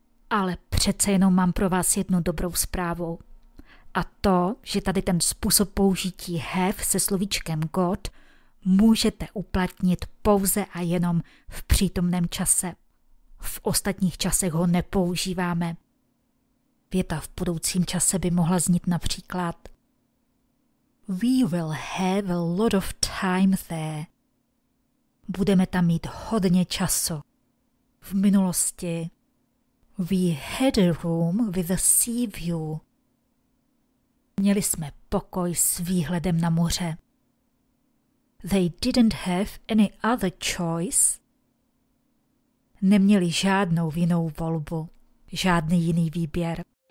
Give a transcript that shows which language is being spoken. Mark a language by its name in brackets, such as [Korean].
[Czech] Ale přece jenom mám pro vás jednu dobrou zprávu. A to, že tady ten způsob použití have se slovíčkem got můžete uplatnit pouze a jenom v přítomném čase. V ostatních časech ho nepoužíváme. Věta v budoucím čase by mohla znít například: [English] We will have a lot of time there. [Czech] Budeme tam mít hodně času. V minulosti: [English] We had a room with a sea view. [Czech] Měli jsme pokoj s výhledem na moře. [English] They didn't have any other choice. [Czech] Neměli žádnou jinou volbu, žádný jiný výběr.